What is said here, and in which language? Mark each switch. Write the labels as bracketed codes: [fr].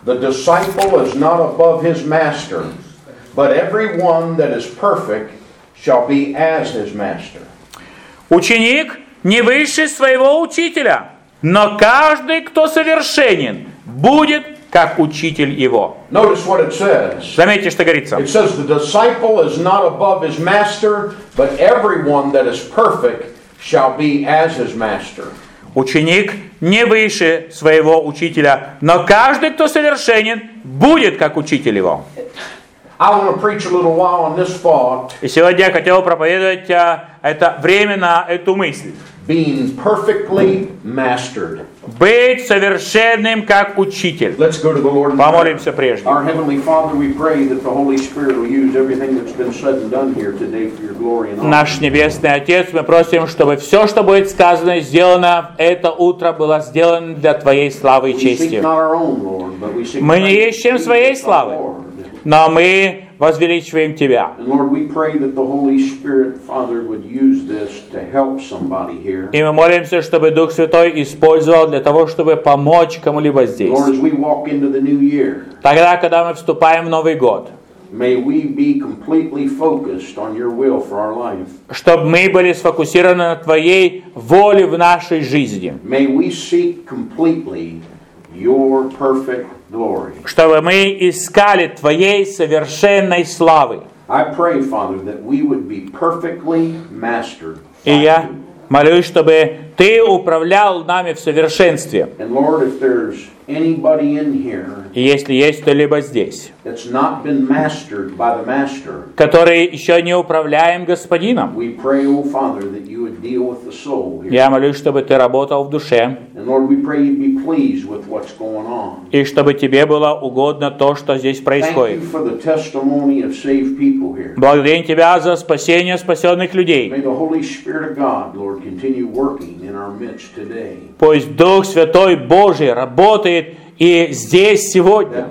[en] The disciple is not above his master, but everyone that is perfect shall be as his master. [ru] Ученик не выше своего учителя, но каждый, кто совершенен, будет как учитель его. [en] Notice what it says. [ru] Заметьте, что говорится. [en] It says the disciple is not above his master, but everyone that is perfect shall be as his master. [ru] Ученик не выше своего учителя, но каждый, кто совершенен, будет как учитель его. [en] I want to preach a little while on this thought. [ru] И сегодня я хотел проповедовать это время на эту мысль. [en] Being perfectly mastered. [ru] Быть совершенным как учитель. [en] Let's go to the Lord. [ru] Помолимся прежде. [en] Our heavenly Father, we pray that the Holy Spirit will use everything that's been said and done here today for your glory and honor. [ru] Наш небесный Отец, мы просим, чтобы все, что будет сказано и сделано это утро, было сделано для Твоей славы и чести. Мы не ищем своей славы, но мы возвеличиваем Тебя. [en] Lord, we pray that the Holy Spirit, Father, would use this to help somebody here. [ru] И мы молимся, чтобы Дух Святой использовал для того, чтобы помочь кому-либо здесь. [en] Lord, as we walk into the new year. [ru] Тогда, когда мы вступаем в Новый год. [en] May we be completely focused on your will for our life. [ru] Чтобы мы были сфокусированы на Твоей воле в нашей жизни. [en] May we seek completely your perfect glory. [ru] Чтобы мы искали Твоей совершенной славы. [en] I pray, Father, that we would be perfectly mastered. [ru] И я молюсь, чтобы Ты управлял нами в совершенстве. [en] And Lord, if there's anybody in here, [ru] и если есть кто-либо здесь, [en] that's not been mastered by the master, [ru] который еще не управляем господином, [en] we pray, oh Father, that you would deal with the soul here. [ru] Я молюсь, чтобы Ты работал в душе. [en] And Lord, we pray you'd be pleased with what's going on. [ru] И чтобы Тебе было угодно то, что здесь происходит. [en] Thank you for the testimony of saved people here. [ru] Благодарим Тебя за спасение спасенных людей. [en] May the Holy Spirit of God, Lord, continue working in our midst today. [ru] Пусть Дух Святой Божий работает и здесь сегодня,